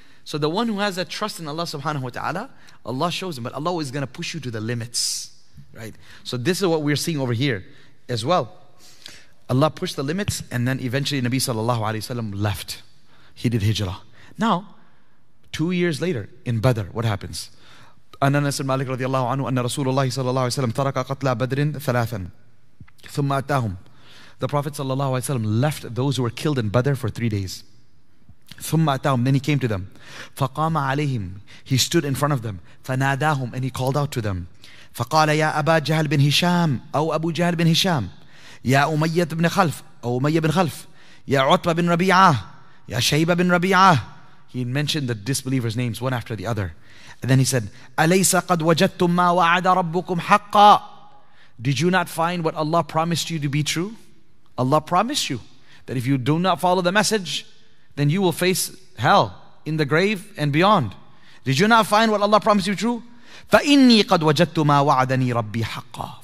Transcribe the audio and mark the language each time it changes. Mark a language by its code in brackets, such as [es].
[en] So the one who has that trust in Allah subhanahu wa ta'ala, Allah shows him. But Allah is going to push you to the limits, right? So this is what we're seeing over here as well. Allah pushed the limits, and then eventually Nabi sallallahu alayhi wa sallam left. He did hijrah. Now, 2 years later, in Badr, what happens? [ar] أن أنس بن مالك رضي الله عنه أن رسول الله صلى الله عليه وسلم ترك قتلى بدر ثلاثا ثم أتاهم. [en] The Prophet [ar] صلى الله عليه وسلم [en] left those who were killed in Badr for 3 days. [ar] ثم أتاهم. [en] Then he came to them. [ar] فقام عليهم. [en] He stood in front of them. [ar] فناداهم. [en] And he called out to them. [ar] فقال يا أبا جهل بن هشام أو أبو جهل بن هشام يا أمية بن خلف أو أمية بن خلف يا عتبة بن ربيعة يا شيبة بن ربيعة. [en] He mentioned the disbelievers' names one after the other. And then he said, [ar] أليس قد وجدتم ما وعد ربكم حقا. [en] Did you not find what Allah promised you to be true? Allah promised you that if you do not follow the message, then you will face hell in the grave and beyond. Did you not find what Allah promised you true? [ar] فَإِنِّي قَدْ وَجَدْتُ مَا وَعَدَنِي رَبِّي حَقَّ.